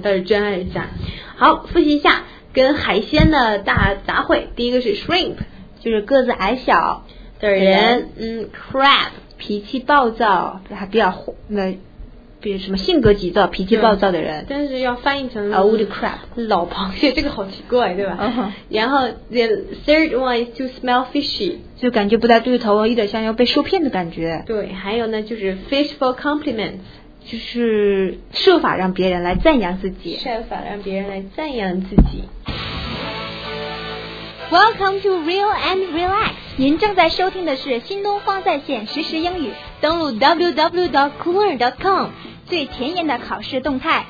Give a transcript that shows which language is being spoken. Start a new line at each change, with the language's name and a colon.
Chinese: 但是真爱一下，好，复习一下跟海鲜的大杂烩。第一个是 shrimp，就是个子矮小的人。crab，脾气暴躁，还比较那，比如什么性格急躁、脾气暴躁的人。但是要翻译成
English: old crab，
Chinese: 老螃蟹，这个好奇怪，对吧？ Uh-huh. 然后
English: the third one is to smell fishy。
Chinese: 就感觉不太对头，有点像要被受骗的感觉。对，还有呢，就是 fish for compliments，就是设法让别人来赞扬自己。设法让别人来赞扬自己。
English: Welcome to Real and Relax，
Chinese: 您正在收听的是新东方在线实时英语，登录 www.coolearn.com， 最前沿的考试动态，